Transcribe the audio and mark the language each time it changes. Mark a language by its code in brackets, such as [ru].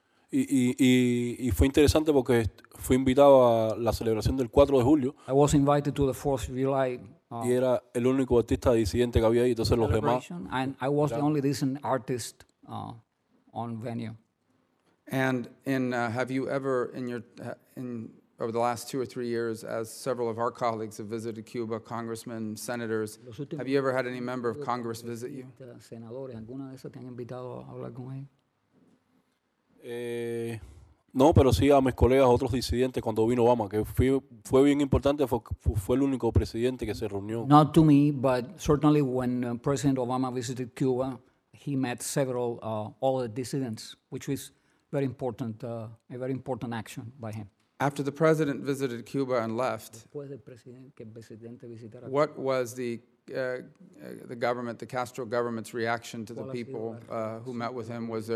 [es] Y fue interesante porque fui invitado a la celebración del 4 de julio. [en] I was invited to the 4th of July. [es] Y era el único artista disidente que había ahí, entonces los demás. [en] And I was the only decent artist on venue. And in have you ever in over the last 2 or 3 years, as several of our colleagues have visited Cuba, congressmen, senators, have you ever had any member of Congress visit you? [es] Senadores, alguna de esas te han invitado a hablar con él? No, pero sí a mis colegas, otros disidentes, cuando vino Obama, que fue bien importante, fue el único presidente que se reunió. [en] Not to me, but certainly when President Obama visited Cuba, he met several all the dissidents, which was very important, a very important action by him. After the president visited Cuba and left, what was the government, the Castro government's reaction to the people who met with him?